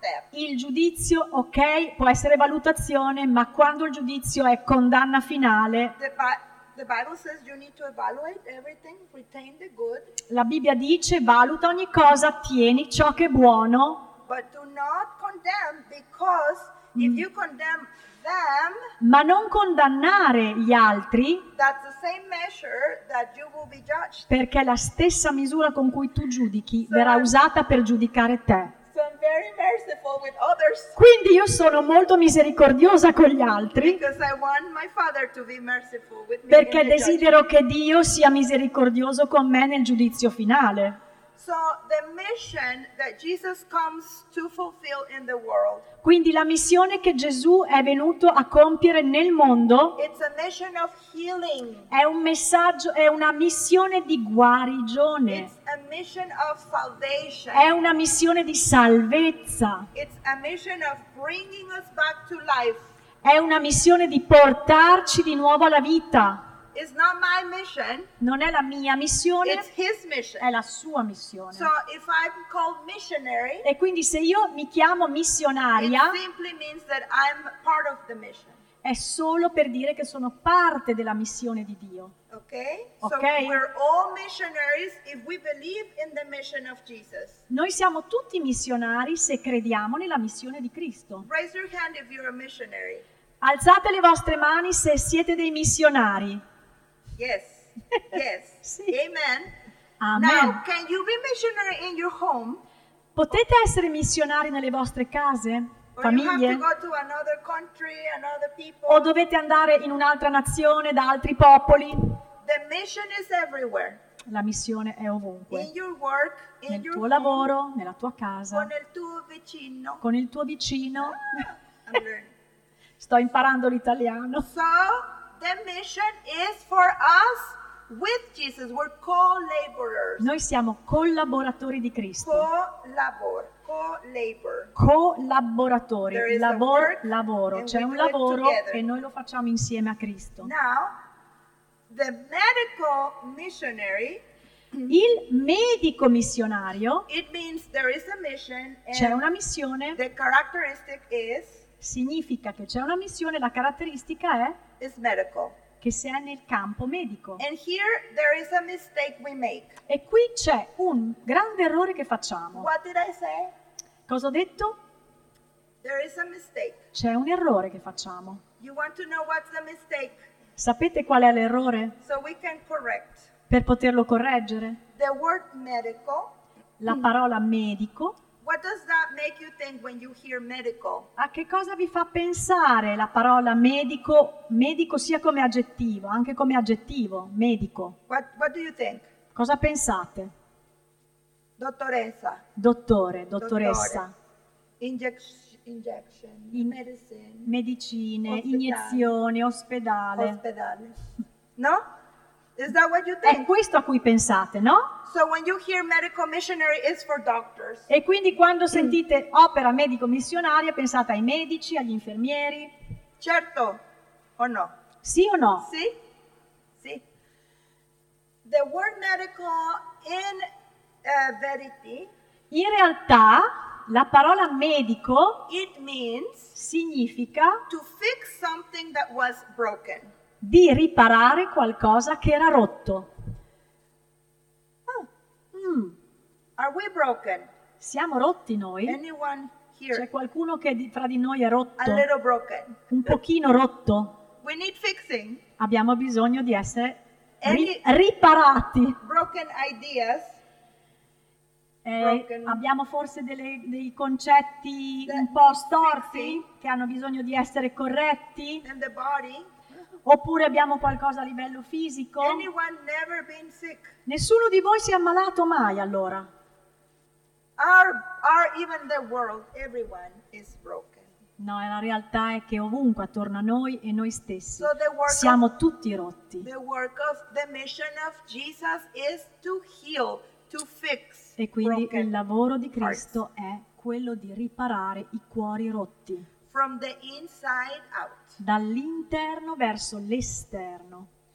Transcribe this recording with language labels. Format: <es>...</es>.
<it>Il giudizio, ok, può essere valutazione, ma quando il giudizio è condanna finale...</it> <en>The Bible says you need to evaluate everything, retain the good.</en> <it>La Bibbia dice valuta ogni cosa, tieni ciò che è buono.</it> <en>But do not condemn, because if you condemn them,</en> <it>ma non condannare gli altri,</it> <en>that's the same measure that you will be judged.</en> <it>Perché la stessa misura con cui tu giudichi verrà usata per giudicare te.</it> <en>So I'm very merciful with others.</en> <it>Quindi io sono molto misericordiosa con gli altri.</it> <en>Because I want my Father to be merciful with me.</en> <it>Perché desidero che Dio sia misericordioso con me nel giudizio finale.</it> <en>So the mission that Jesus comes to fulfill in the world.</en> <it>Quindi la missione che Gesù è venuto a compiere nel mondo.</it> <en>It's a mission of healing.</en> <it>È un messaggio, è una missione di guarigione.</it> <en>It's a mission of salvation.</en> <it>È una missione di salvezza.</it> <en>It's a mission of bringing us back to life.</en> <it>È una missione di portarci di nuovo alla vita.</it> <en>It's not my mission.</en> <it>Non è la mia missione.</it> <en>It's his mission.</en> <it>È la sua missione.</it> <en>So if I'm called missionary,</en> <it>e quindi se io mi chiamo missionaria,</it> <en>it simply means that I'm part of the mission.</en> <it>È solo per dire che sono parte della missione di Dio.</it> <en>Okay?</en> <it>Okay?</it> <en>So we're all missionaries if we believe in the mission of Jesus.</en> <it>Noi siamo tutti missionari se crediamo nella missione di Cristo.</it> <en>Raise your hand if you're a missionary.</en> <it>Alzate le vostre mani se siete dei missionari.</it> <en>Yes. Yes.</en> <it>Sì.</it> <en>Amen.</en> <it>Amen.</it> <en>Now, can you be missionary in your home?</en> <it>Potete essere missionari nelle vostre case,</it> <en>or</en> <it>famiglie?</it> <en>You have to go to another country, another people.</en> <it>O dovete andare in un'altra nazione, da altri popoli?</it> <en>The mission is everywhere.</en> <it>La missione è ovunque.</it> <en>In your work, in</en> <it>nel</it> <en>your</en> <it>tuo</it> <en>home,</en> <it>lavoro, nella tua casa. Con il tuo vicino. Con il tuo vicino. Ah, sto imparando l'italiano.</it> <en>So the mission is for us with Jesus. We're co-laborers.</en> <it>Noi siamo collaboratori di Cristo.</it> <en>Co-labor, co-labor.</en> <it>Collaboratori, lavoro, lavoro. C'è un lavoro e noi lo facciamo insieme a Cristo.</it> <en>Now the medical missionary.</en> <it>Il medico missionario.</it> <en>It means there is a mission.</en> <it>C'è una missione.</it> <en>The characteristic is.</en> <it>Significa che c'è una missione, la caratteristica è che si è nel campo medico.</it> <en>And here there is a mistake we make.</en> <it>E qui c'è un grande errore che facciamo.</it> <en>What did I say?</en> <it>Cosa ho detto?</it> <en>There is a mistake.</en> <it>C'è un errore che facciamo.</it> <en>You want to know what's the mistake?</en> <it>Sapete qual è l'errore?</it> <en>So we can correct.</en> <it>Per poterlo correggere.</it> <en>The word medical.</en> <it>La parola medico.</it> <en>What does that make you think when you hear medical?</en> <it>A che cosa vi fa pensare la parola medico, medico sia come aggettivo, anche come aggettivo, medico?</it> <en>What do you think?</en> <it>Cosa pensate? Dottoressa. Dottore, dottoressa. Dottore.</it> <en>Injection, medicine.</en> <it>Medicine, ospedale. Iniezione, ospedale. Ospedale. No?</it> <en>Is that what you think?</en> <it>È questo a cui pensate, no?</it> <en>So when you hear medical missionary, it's for doctors.</en> <it>E quindi quando sentite opera medico missionaria, pensate ai medici, agli infermieri. Certo, o no? Sì o no? Sì. Sì.</it> <en>The word medical in verity.</en> <it>In realtà, la parola medico.</it> <en>It means.</en> <it>Significa.</it> <en>To fix something that was broken.</en> <it>Di riparare qualcosa che era rotto.</it> <en>Oh. Mm. Are we broken?</en> <it>Siamo rotti noi?</it> <en>Anyone here?</en> <it>C'è qualcuno che tra di noi è rotto?</it> <en>A little broken.</en> <it>Un pochino rotto?</it> <en>We need fixing.</en> <it>Abbiamo bisogno di essere riparati.</it> <en>Broken ideas.</en> <it>Abbiamo forse dei concetti un po' storti che hanno bisogno di essere corretti?</it> <en>And the body.</en> <it>Oppure abbiamo qualcosa a livello fisico?</it> <en>Anyone never been sick?</en> <it>Nessuno di voi si è ammalato mai, allora?</it> <en>Are even the world, everyone is broken.</en> <it>No, la realtà è che ovunque attorno a noi e noi stessi siamo tutti rotti.</it> <en>The work of the mission of Jesus is to heal, to fix.</en> <it>E quindi il lavoro di Cristo è quello di riparare i cuori rotti.</it> <en>From the inside out.</en> <it>Dall'interno verso l'esterno.</it>